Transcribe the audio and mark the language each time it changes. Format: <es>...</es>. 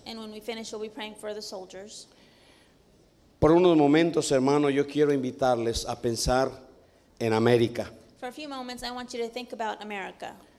<en>And when we finish, we'll be praying for the soldiers.</en> <es>Por unos momentos, hermano, yo quiero invitarles a pensar en América.</es> <en>For a few moments, I want you to think about America.</en>